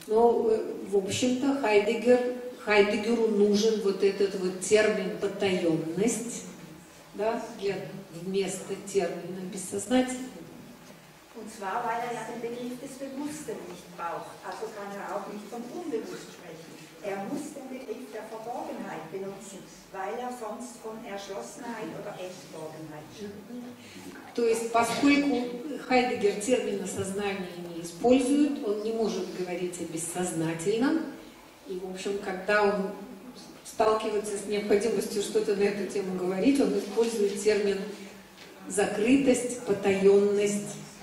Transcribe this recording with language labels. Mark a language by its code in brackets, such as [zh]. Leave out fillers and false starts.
[ru] Ну, в общем-то, Хайдеггеру нужен вот этот вот термин «потаенность», да, вместо термина «бессознательность». [de] Und zwar, weil er ja den Begriff des Bewussten nicht braucht. Also kann er auch nicht vom Unbewusst sprechen. Er muss den Begriff der Verborgenheit benutzen, weil er sonst von Erschlossenheit oder Entborgenheit spricht. [ru] То есть, поскольку Хайдеггер термина сознания не использует, он не может говорить о бессознательном. И, в общем, когда он сталкивается с необходимостью что-то на эту тему говорить, он использует термин закрытость, потаенность.